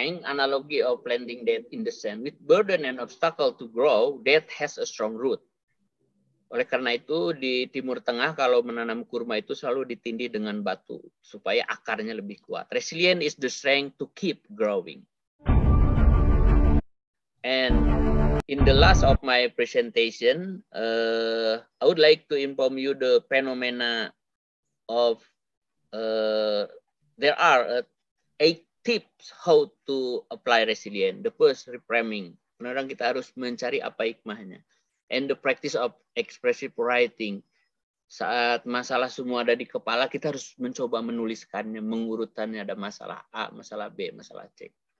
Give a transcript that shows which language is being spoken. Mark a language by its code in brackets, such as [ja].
[en] Analogy of planting debt in the sand with burden and obstacle to grow, debt has a strong root. [id] Oleh karena itu, di Timur Tengah kalau menanam kurma itu selalu ditindih dengan batu supaya akarnya lebih kuat. [en] Resilient is the strength to keep growing. And in the last of my presentation, I would like to inform you the phenomena of there are 8 tips how to apply resilient. The first, reframing. [id] Menurut kita harus mencari apa hikmahnya. [en] And the practice of expressive writing. [id] Saat masalah semua ada di kepala, kita harus mencoba menuliskannya, mengurutannya, ada masalah A, masalah B, masalah C.